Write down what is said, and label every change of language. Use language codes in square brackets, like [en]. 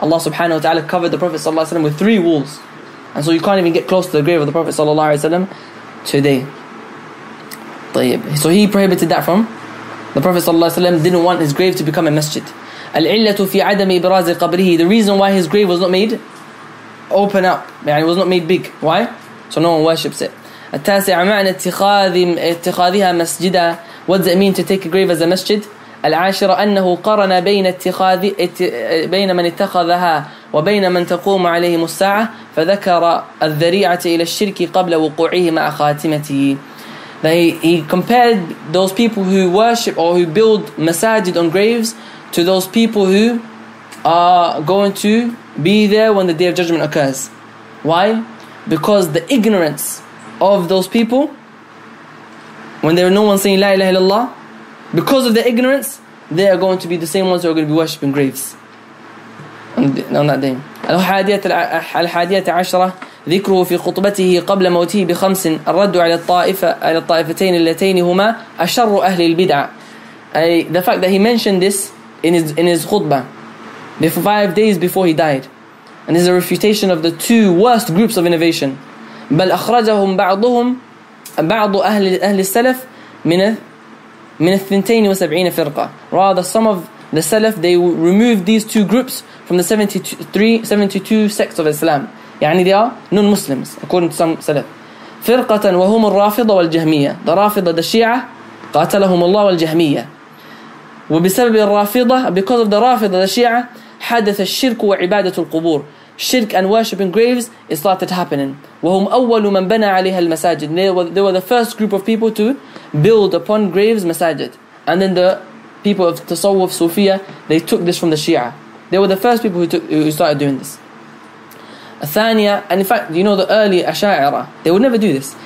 [en] Allah subhanahu wa ta'ala covered the Prophet sallallahu alayhi wa sallam with three walls. And so you can't even get close to the grave of the Prophet sallallahu alayhi wa sallam today. [ar] طيب. [en] So he prohibited that from the Prophet sallallahu alayhi wa sallam, didn't want his grave to become a masjid. [ar] العِلَّةُ فِي عَدَمِ إِبْرَازِ قَبْرِهِ. [en] The reason why his grave was not made open up, يعني it was not made big. Why? So no one worships it. [ar] التاسع معنى اتخاذها مسجدا. [en] What does it mean to take a grave as a masjid? [ar] العاشرة أنه قرن بين اتخاذ بين من اتخذها وبين من تقوم عليهم الساعة فذكر الذريعة إلى الشرك قبل وقوعه مع خاتمته. [en] He compared those people who worship or who build masajid on graves to those people who are going to be there when the Day of Judgment occurs. Why? Because the ignorance of those people, when there are no one saying La ilaha illallah, because of their ignorance, they are going to be the same ones who are going to be worshipping graves on that day. [ar] الحادية عشرة ذكره في خطبته قبل موته بخمس الرد على الطائفة على الطائفتين اللتين هما أشر أهل البدعة. [en] The fact that he mentioned this in his khutbah before 5 days before he died, and this is a refutation of the two worst groups of innovation. [ar] بل أخرجهم بعضهم بعض أهل السلف من الثنتين وسبعين فرقة. [en] Rather, some of the Salaf, they removed these two groups from the 72 sects of Islam. يعني they are non-Muslims according to some Salaf. [ar] فرقة وهم الرافضة والجهمية. The رافضة الشيعة قاتلهم الله والجهمية. وبسبب الرافضة, [en] because of the [ar] رافضة الشيعة, حدث الشرك وعبادة القبور. [en] Shirk and worshipping graves, it started happening. [ar] وهم أول من بنى عليها المساجد. [en] They were the first group of people to build upon graves masajid. And then the people of Tasawwuf, Sufiya, they took this from the Shia. They were the first people who started doing this. الثانية, and in fact, you know, the early Asha'ira, they would never do this.